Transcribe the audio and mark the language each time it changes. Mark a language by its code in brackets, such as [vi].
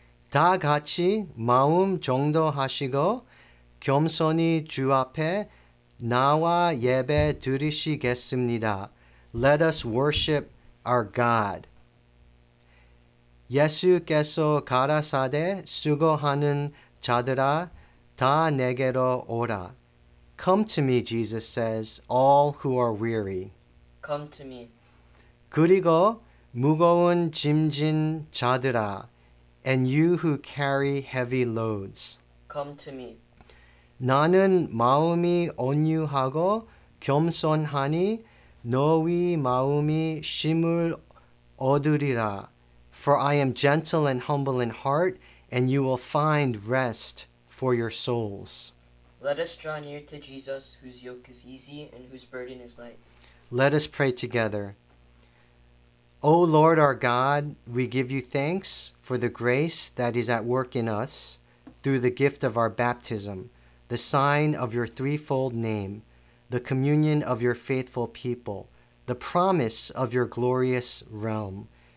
[ko] 다 같이 마음 정돈하시고 겸손히 주 앞에 나와 예배 드리시겠습니다. [en] Let us worship our God. [ko] 예수께서 가라사대 수고하는 자들아 다 내게로 오라. [en] Come to me, Jesus says, all who are weary. Come to me. [ko] 그리고 무거운 짐진 자들아, [en] and you who carry heavy loads. Come to me. [ko] 나는 마음이 온유하고 겸손하니 너희 마음이 쉼을 얻으리라. [en] For I am gentle and humble in heart, and you will find rest for your souls. Let us draw near to Jesus, whose yoke is easy and whose burden is light. Let us pray together. O Lord our God, we give you thanks for the grace that is at work in us through the gift of our baptism, the sign of your threefold name, the communion of your faithful people, the promise of your glorious realm.